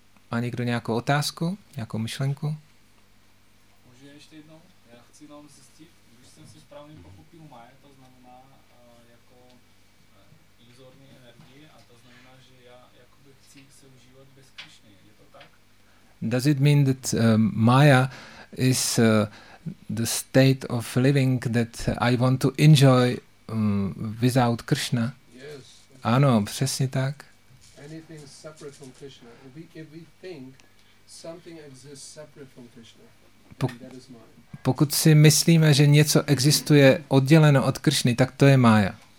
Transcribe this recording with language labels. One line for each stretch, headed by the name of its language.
Czech: Má někdo nějakou otázku, nějakou myšlenku? Můžu ještě jednou? Já chci jenom zjistit, když jsem si správně pochopil Maja, to znamená jako iluzorní energie a to znamená, že já jakoby chci se užívat bez Krišny. Je to tak?
English: Does it mean that Maya is the state of living that I want to enjoy without Krishna? Yes.
Czech: Ano, přesně tak.
English: Anything separate from Krishna. If we think something exists separate from Krishna, that is Maya.
Czech: Pokud si myslíme, že něco existuje odděleno od Krishny, tak to je Maya.